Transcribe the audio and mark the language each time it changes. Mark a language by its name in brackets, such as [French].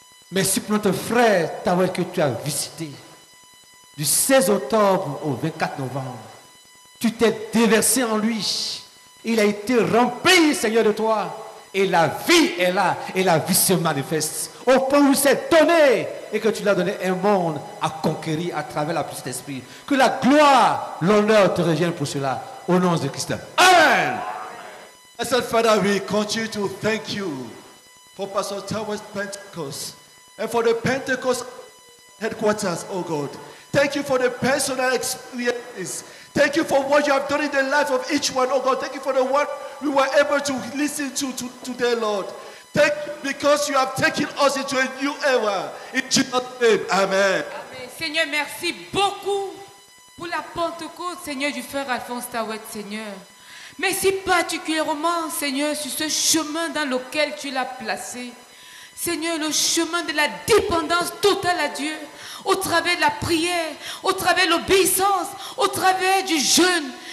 [French] Merci pour notre frère, ta voix que tu as visité. Du 16 octobre au 24 novembre, tu t'es déversé en lui. Il a été rempli, Seigneur, de toi. Et la vie est là, et la vie se manifeste. Au point où il s'est donné, et que tu lui as donné un monde à conquérir à travers la puissance d'esprit. Que la gloire, l'honneur te revienne pour cela. Au nom de Christ. Amen. [English] I said, Father, we continue to thank you for Pastor Tower's Pentecost and for the Pentecost headquarters, oh God. Thank you for the personal experiences. Thank you for what you have done in the life of each one, oh God. Thank you for the word we were able to listen to today, Lord. because you have taken us into a new era. In Jesus' name, amen. Amen. [French] Seigneur, merci beaucoup pour la Pentecôte, Seigneur, du frère Alphonse Tawet, Seigneur. Merci particulièrement, Seigneur, sur ce chemin dans lequel tu l'as placé. Seigneur, le chemin de la dépendance totale à Dieu, au travers de la prière, au travers de l'obéissance, au travers du jeûne.